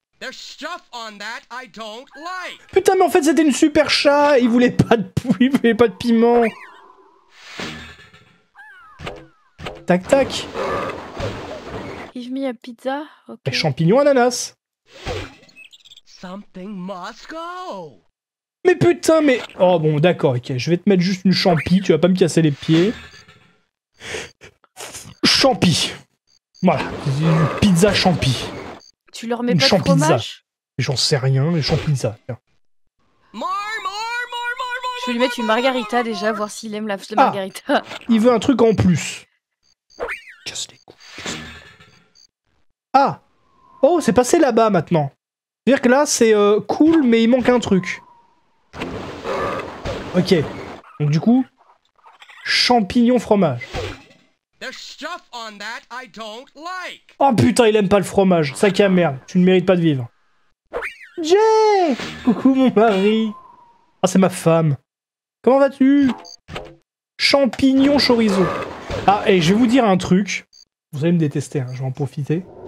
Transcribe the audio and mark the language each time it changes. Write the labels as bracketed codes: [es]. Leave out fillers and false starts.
[en] Stuff on that I don't like. [fr] Putain, mais en fait c'était une super chat. Il voulait pas de il voulait pas de piment. Tac tac. [en] Give me a pizza. Ok. [fr] Et champignons ananas. [en] Something must go. [fr] Mais putain, mais oh bon d'accord, ok, je vais te mettre juste une champi. Tu vas pas me casser les pieds. Champi. Voilà, une pizza champi. Tu leur mets une pas de fromage? J'en sais rien, mais champizza. Je vais lui mettre une margarita déjà, voir s'il aime la margarita. Ah, il veut un truc en plus. Casse les couilles. Ah! Oh, c'est passé là-bas maintenant. C'est-à-dire que là, c'est cool, mais il manque un truc. Ok. Donc du coup, champignon fromage. [en] There's stuff on that I don't like. [fr] Oh putain, il aime pas le fromage. Sac à merde, tu ne mérites pas de vivre. Jay! Coucou mon mari. Ah, oh, c'est ma femme. Comment vas-tu? Champignon chorizo. Ah, et je vais vous dire un truc. Vous allez me détester, hein, je vais en profiter.